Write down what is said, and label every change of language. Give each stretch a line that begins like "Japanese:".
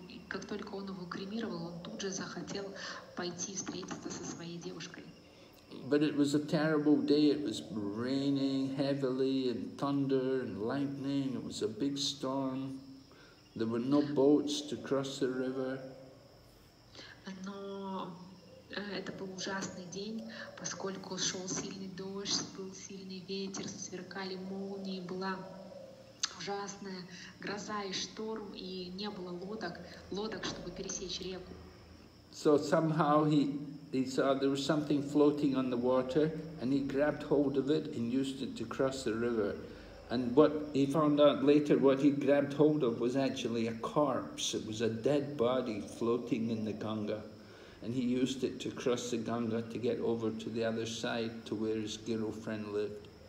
Russian: И как только он его кремировал, он тут же захотел пойти встретиться со своей девушкой.
English: But it was a terrible day. It was raining heavily, and thunder and lightning. It was a big storm. There were no boats to cross the river.
Russian: Но это был ужасный день, поскольку шел сильный дождь, был сильный ветер, сверкали молнии, была ужасная гроза и шторм, и не было лодок, чтобы пересечь реку.
English: So somehow he saw there was something floating on the water, and he grabbed hold of it and used it to cross the river. And what he found out later, what he grabbed hold of was actually a corpse. It was a dead body floating in the Ganga. And he used it to cross the Ganga to get over to the other side, to where his girlfriend lived.